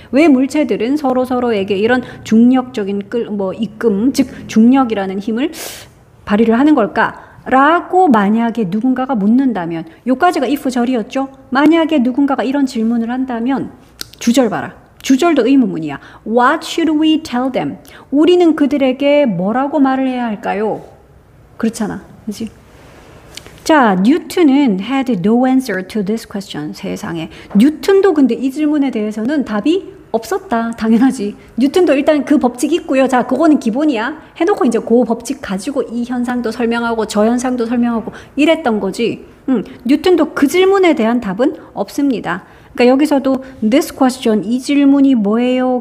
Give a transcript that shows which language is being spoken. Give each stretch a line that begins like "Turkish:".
Korean: 왜 물체들은 서로서로에게 이런 중력적인 입금, 즉 중력이라는 힘을 발휘를 하는 걸까? 라고 만약에 누군가가 묻는다면, 요까지가 if 절이었죠? 만약에 누군가가 이런 질문을 한다면, 주절 봐라. 주절도 의문문이야.
English: What should we tell them?
Korean: 우리는 그들에게 뭐라고 말을 해야 할까요? 그렇잖아. 그치?
English: 자, 뉴턴은 had no answer to this question.
Korean: 세상에. 뉴턴도 근데 이 질문에 대해서는 답이 없었다. 당연하지. 뉴턴도 일단 그 법칙 있고요. 자, 그거는 기본이야. 해놓고 이제 그 법칙 가지고 이 현상도 설명하고 저 현상도 설명하고 이랬던 거지. 뉴턴도 그 질문에 대한 답은 없습니다. 그러니까 여기서도 this question, 이 질문이 뭐예요?